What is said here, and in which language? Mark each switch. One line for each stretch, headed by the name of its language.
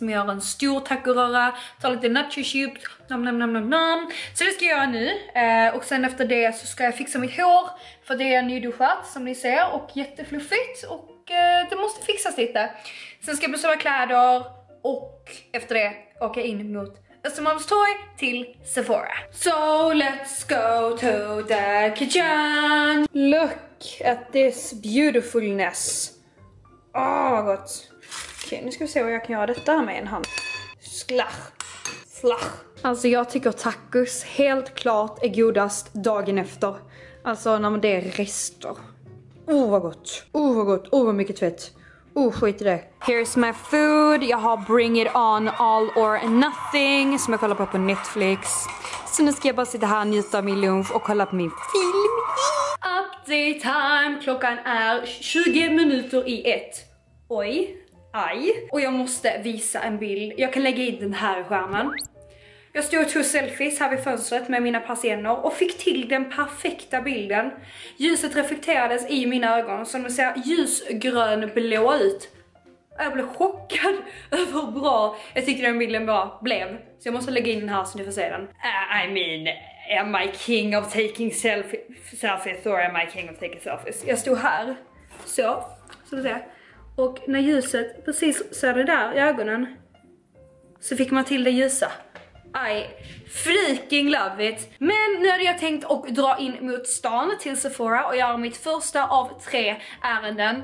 Swedish: Men jag har en stor tacoröra, tar lite nacho chips, nam nam nam nam nam. Så det ska jag göra nu. Och sen efter det så ska jag fixa mitt hår. För det är nyduschat som ni ser och jättefluffigt. Och det måste fixas lite. Sen ska jag besöka kläder. Och efter det åka in mot Östermalms torg till Sephora.
English: So let's go to the kitchen. Look at this beautifulness.
Swedish: Åh, vad gott. Okej, nu ska vi se vad jag kan göra detta med en hand.
English: Slash. Slash.
Swedish: Alltså jag tycker tacos helt klart är godast dagen efter. Alltså när det är rester. Oh vad gott. Oh vad gott. Oh vad mycket tvätt. Oh skit i det.
English: Here's my food.
Swedish: Jag har Bring It On All or Nothing som jag kollar på Netflix. Så nu ska jag bara sitta här och njuta av min lunch och kolla på min film.
English: Update time.
Swedish: Klockan är 20 minuter i ett. Oj. Aj. Och jag måste visa en bild. Jag kan lägga in den här i skärmen. Jag stod och tog selfies här vid fönstret med mina persienner och fick till den perfekta bilden. Ljuset reflekterades i mina ögon som ser ljusgrönblå ut. Jag blev chockad över hur bra jag tyckte den bilden bara blev. Så jag måste lägga in den här så ni får se den.
English: I mean, am I king of taking selfies or am I king of taking selfies?
Swedish: Jag stod här, så ska vi se. Och när ljuset precis så är det där i ögonen så fick man till det ljusa.
English: I freaking love it.
Swedish: Men nu hade jag tänkt att dra in mot stan till Sephora och göra mitt första av tre ärenden.